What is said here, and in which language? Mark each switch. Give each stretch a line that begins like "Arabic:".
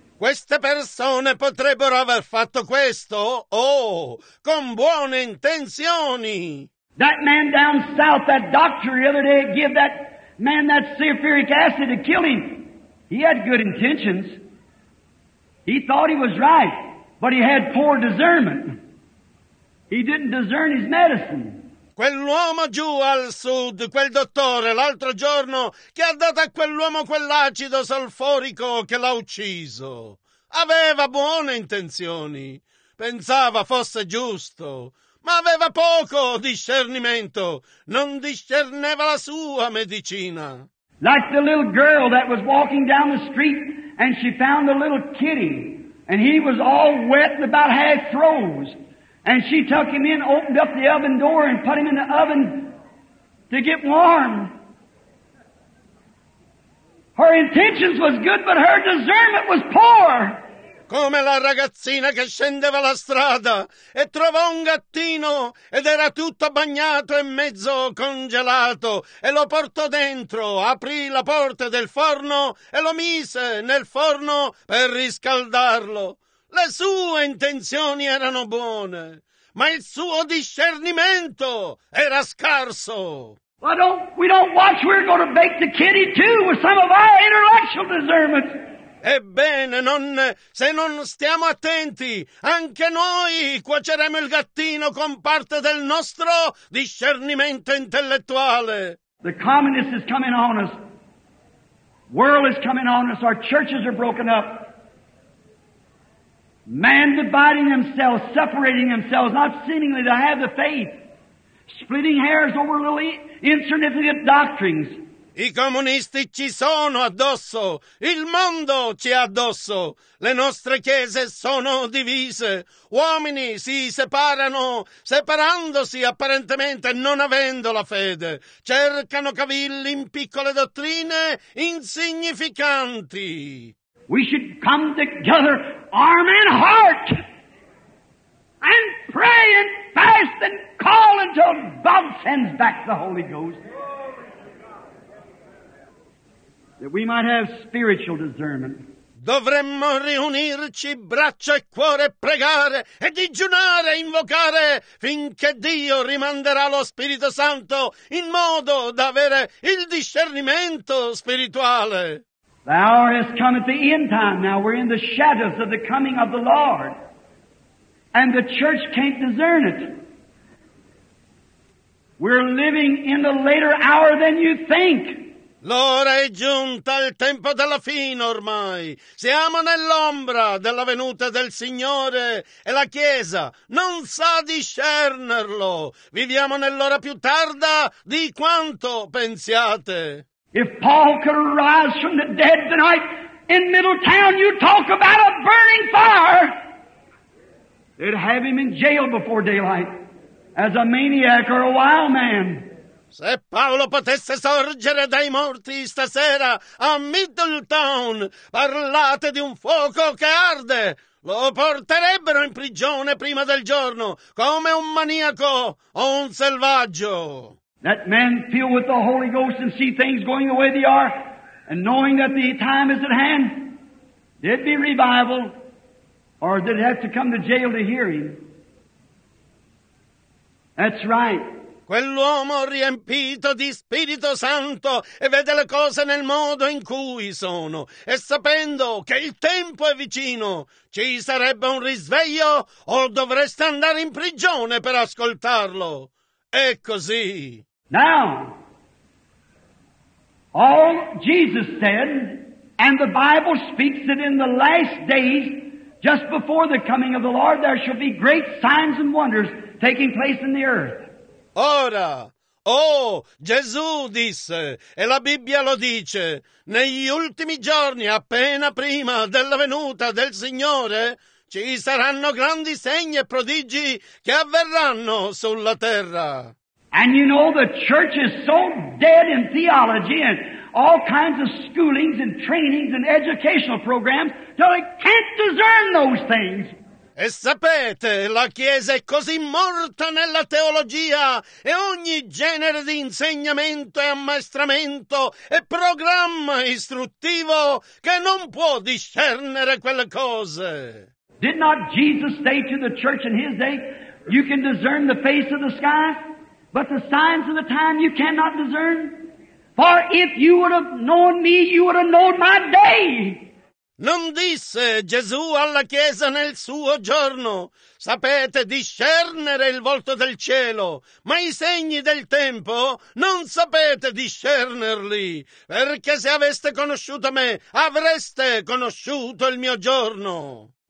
Italian: Queste persone potrebbero aver fatto questo, oh, con buone intenzioni.
English: That man down south, that doctor the other day, gave that man that sulfuric acid to kill him. He had good intentions. He thought he was right, but he had poor discernment. He didn't discern his medicine.
Italian: Quell'uomo giù al sud, quel dottore, l'altro giorno, che ha dato a quell'uomo quell'acido solforico che l'ha ucciso. Aveva buone intenzioni. Pensava fosse giusto, ma aveva poco discernimento. Non discerneva la sua medicina.
English: Like the little girl that was walking down the street and she found a little kitty and he was all wet and about half froze. And she took him in, opened up the oven door, and put him in the oven to get warm. Her intentions was good, but her discernment was poor.
Italian: come la ragazzina che scendeva la strada e trovò un gattino ed era tutto bagnato e mezzo congelato e lo portò dentro, aprì la porta del forno e lo mise nel forno per riscaldarlo. Le sue intenzioni erano buone, ma il suo discernimento era scarso.
English: Well, we don't watch, we're going to bake the kitty too with some of our intellectual discernment.
Italian: Ebbene, se non stiamo attenti, anche noi cuoceremo il gattino con parte del nostro discernimento intellettuale.
English: The communist is coming on us. World is coming on us. Our churches are broken up. Man dividing themselves, separating themselves, not seemingly to have the faith. Splitting hairs over little insignificant doctrines.
Italian: I comunisti ci sono addosso, il mondo ci ha addosso, le nostre chiese sono divise, uomini si separano, separandosi apparentemente non avendo la fede, cercano cavilli in piccole dottrine insignificanti.
English: We should come together, arm in heart, and pray and fast and call until God sends back the Holy Ghost. That we might have spiritual discernment.
Italian: Dovremmo riunirci braccio e cuore, pregare e digiunare, invocare finché Dio rimanderà lo Spirito Santo in modo da avere il discernimento spirituale.
English: The hour has come at the end time. Now we're in the shadows of the coming of the Lord, and the church can't discern it. We're living in a later hour than you think.
Italian: L'ora è giunta, il tempo della fine ormai. Siamo nell'ombra della venuta del Signore e la Chiesa non sa discernerlo. Viviamo nell'ora più tarda di quanto pensiate.
English: If Paul could arise from the dead tonight in Middletown, you talk about a burning fire. They'd have him in jail before daylight as a maniac or a wild man.
Italian: Se Paolo potesse sorgere dai morti stasera a Middletown, parlate di un fuoco che arde. Lo porterebbero in prigione prima del giorno, come un maniaco o un selvaggio.
English: That man filled with the Holy Ghost and see things going the way they are, and knowing that the time is at hand, there'd be revival, or they'd have to come to jail to hear him. That's right.
Italian: Quell'uomo riempito di Spirito Santo e vede le cose nel modo in cui sono, e sapendo che il tempo è vicino, ci sarebbe un risveglio o dovreste andare in prigione per ascoltarlo. È così.
English: Now, all Jesus said, and the Bible speaks that in the last days, just before the coming of the Lord, there shall be great signs and wonders taking place in the earth.
Italian: Ora, Gesù disse, e la Bibbia lo dice, negli ultimi giorni, appena prima della venuta del Signore, ci saranno grandi segni e prodigi che avverranno sulla terra.
English: And you know the church is so dead in theology and all kinds of schoolings and trainings and educational programs that it can't discern those things.
Italian: E sapete, la Chiesa è così morta nella teologia e ogni genere di insegnamento e ammaestramento e programma istruttivo che non può discernere quelle cose.
English: Did not Jesus say to the church in his day, you can discern the face of the sky, but the signs of the time you cannot discern? For if you would have known me, you would have known my day.
Italian: Non disse Gesù alla Chiesa nel suo giorno, sapete discernere il volto del cielo, ma i segni del tempo non sapete discernerli, perché se aveste conosciuto me, avreste conosciuto il mio giorno.